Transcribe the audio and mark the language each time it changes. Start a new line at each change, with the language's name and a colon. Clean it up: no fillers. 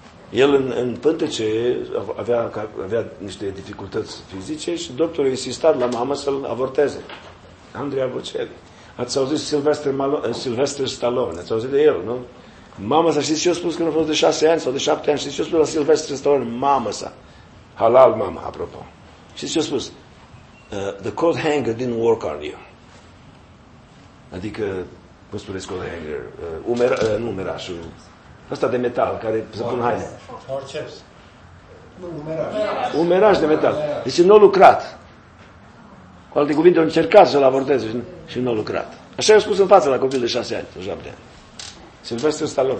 Romanian: El în pântece avea niște dificultăți fizice și doctorul a insistat la mamă să-l avorteze. Andrea Bocelli. Ați auzit Sylvester Stallone. Ați auzit de el, nu? Mama sa, știți ce a spus când a fost de 6 ani sau de 7 ani? Știți ce a spus la Sylvester Stallone? Mama sa. Halal mama, apropo. Știți ce a spus?
English: The coat hanger didn't work on you.
Romanian: Adică, cum spuneți coat hanger? Umerașul. Asta de metal, care se pun haine.
English: Forceps.
Romanian: Umeraș de metal. Deci nu a lucrat. Cu alte cuvinte, a încercat să-l abordeze și nu a lucrat. Așa i-a spus în față la copil de 6 ani, sau 7 ani. Sylvester Stallone.